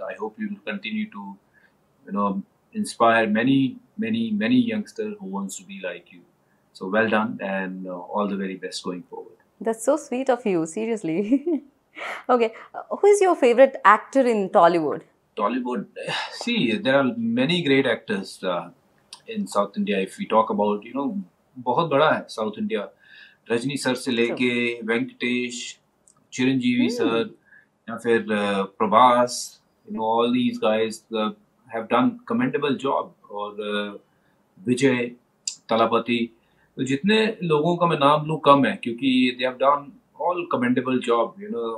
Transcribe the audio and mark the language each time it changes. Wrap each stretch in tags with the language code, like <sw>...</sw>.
<en>I hope you will continue to you know inspire many many many youngster who wants to be like you. So well done and all the very best going forward. That's so sweet of you. Seriously. Okay. Who is your favourite actor in Tollywood? Tollywood, see, there are many great actors in South India. If we talk about, you know,</en> <hi>बहुत बड़ा है</hi> <en>South India. Rajni sir से लेके Venkatesh, Chiranjeevi sir, या फिर Prabhas, you know, all these guys have done commendable job.</en> <hi>और विजय, तालापति, तो जितने लोगों का मैं नाम लूँ कम है क्योंकि</hi> <en>they have done all commendable job, you know.</en>